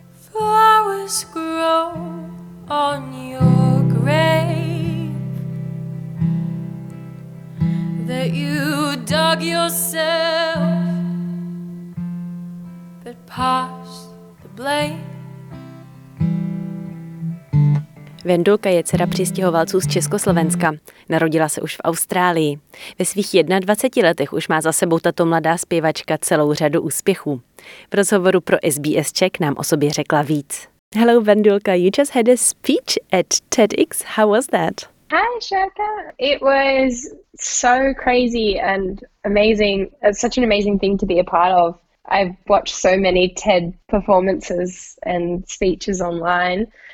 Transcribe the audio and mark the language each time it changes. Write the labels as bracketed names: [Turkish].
[English] Flowers grow on your grave that you dug yourself, but pass the blame. [Czech] Wendulka je dcera přistěhovalců z Československa. Narodila se už v Austrálii. Ve svých 21 letech už má za sebou tato mladá zpěvačka celou řadu úspěchů. V rozhovoru pro SBS Czech nám o sobě řekla víc. [English] Hello Wendulka, you just had a speech at TEDx. How was that? Hi Sharka, it was so crazy and amazing. It's such an amazing thing to be a part of. I've watched so many TED performances and speeches online.